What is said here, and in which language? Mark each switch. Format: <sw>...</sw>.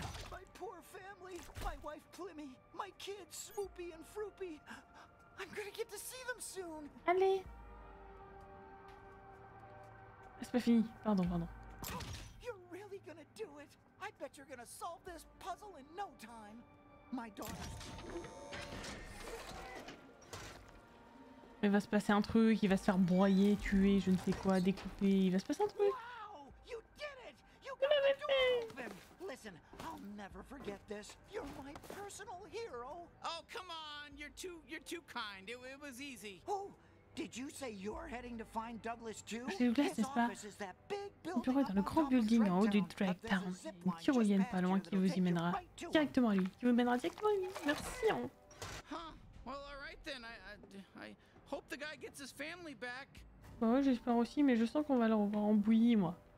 <en>My poor family, my wife Plimmy, my kids Swoopy and Froopy. I'm gonna get to see them soon.</en> <fr>Allez. C'est pas fini. Pardon.</fr> <en>You're really gonna do it. I bet you're gonna solve this puzzle in no time. My daughter.</en> <fr>Il va se passer un truc, il va se faire broyer, tuer, je ne sais quoi, découper, il va se passer un truc.</fr> <en>Wow, you did it! You got to help him! Listen, I'll never forget this. You're my personal hero. Oh, come on, you're too kind. It was easy. Oh, did you say you're heading to find Douglas too?</en> <fr>C'est Douglas, n'est-ce pas?</fr> <en>His office is that big building.</en> <fr>Bureau dans le grand building en haut du Drake Town. Une tyrolienne pas loin qui vous y mènera directement à lui. Qui vous mènera directement à lui. Merci.</fr> <en>Well, all right then. I hope the guy gets his family back.</en> <fr>Bah ouais, j'espère aussi, mais je sens qu'on va le revoir en bouillie, moi.</fr>